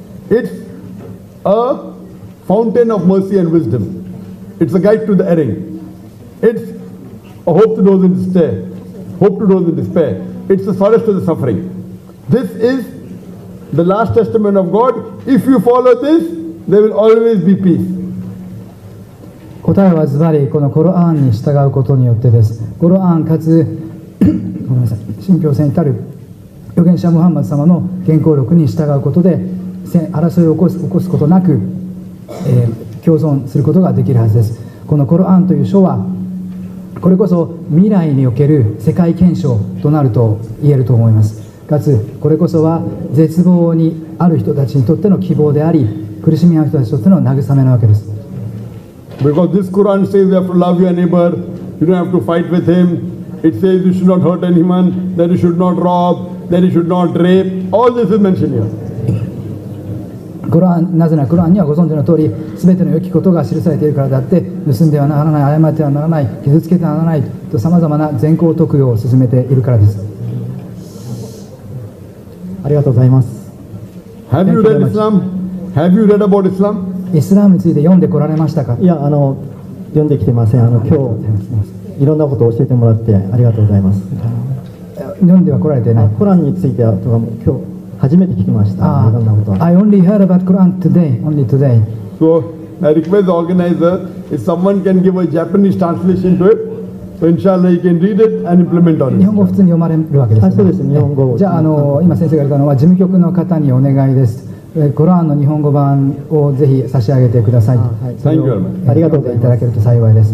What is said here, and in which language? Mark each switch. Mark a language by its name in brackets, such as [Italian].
[English] It's a fountain of mercy and wisdom. It's a guide to the erring. It's a hope to those in despair. Hope to those in despair. It's the solace to the suffering. This is the last testament of God. If you follow this, there will always be peace. [Japanese] 答えはズバリこのコロアンに従うことによってです。コロアンかつ、ごめんなさい、信憑性に至る預言者ムハンマド様の原稿録に従うことで、争いを起こすことなく、共存することができるはずです。このコロアンという書は、これこそ未来における世界憲章となると言えると思います。かつ、これこそは絶望にある人たちにとっての希望であり、苦しみある人たちにとっての慰めなわけです。 [English] Because this Quran says you have to love your neighbor, you don't have to fight with him. It says you should not hurt anyone, that you should not rob, that you should not rape. All this is mentioned here. [Japanese] Quran, なぜなら Quran にはご存知の通り、すべての良きことが記されているからであって、盗んではならない、誤ってはならない、傷つけてはならないと様々な善行徳用を進めているからです。ありがとうございます。 [English] Have you read Islam? Have you read about Islam? [Japanese] イスラムについて読んでこられましたか。いや読んできてません。今日いろんなことを教えてもらってありがとうございます。読んでは来られてない。コランについては今日初めて聞きました。いろんなことは [English] I only heard about Quran today. Only today. So I request the organizer, if someone can give a Japanese translation to it, so inshallah you can read it and implement on it. [Japanese] 日本語普通に読まれるわけですね。そうですね、日本語。じゃあ、今先生が言われたのは、事務局の方にお願いです。コランの日本語版をぜひ差し上げてください。 [English] Thank you very much. [Japanese] ありがとうございます。いただけると幸いです。